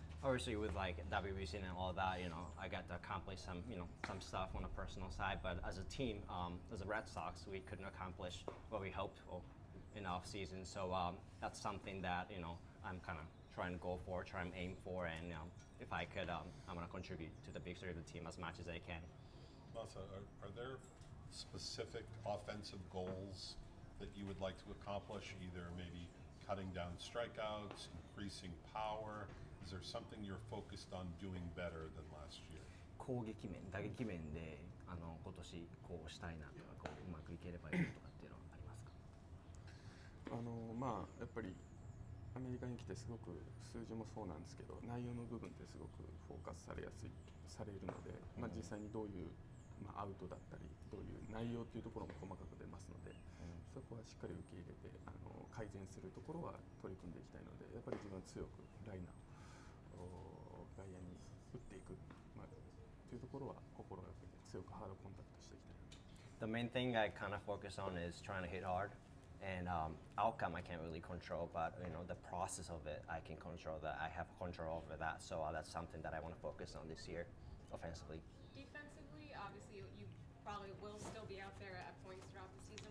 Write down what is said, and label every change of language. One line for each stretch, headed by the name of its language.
English: Obviously, with like WBC and all that, you know, I got to accomplish some, you know, some stuff on a personal side. But as a team, as a Red Sox, we couldn't accomplish what we hoped for in off season. So that's something that, you know, I'm kind of trying to go for, trying to aim for. And you know, if I could, I'm going to contribute to the victory of the team as much as I can. Masa, are there specific offensive goals that you would like to accomplish, either maybe cutting down strikeouts, increasing power? Is there something you're focused on doing better than last year?
Japanese: 攻撃面、打撃面で、あの今年こうしたいなとか、こううまくいければいいとかっていうのはありますか？まあやっぱりアメリカに来てすごく数字もそうなんですけど、内容の部分ってすごくフォーカスされやすい、されるので、まあ実際にどういう、まあ、アウトだったり、どういう内容っていうところも細かく出ますので、そこはしっかり受け入れて、改善するところは取り組んでいきたいので、やっぱり自分は強くライナー。外野に打っていく、まあ、というところは心がけて強くハードコンタクトしていきたい。
English: The main thing I kind of focus on is trying to hit hard, and outcome I can't really control, but you know the process of it I can control. That I have control over that, so that's something that I want to focus on this year, offensively. Defensively, obviously you probably will still be out there at points throughout the season.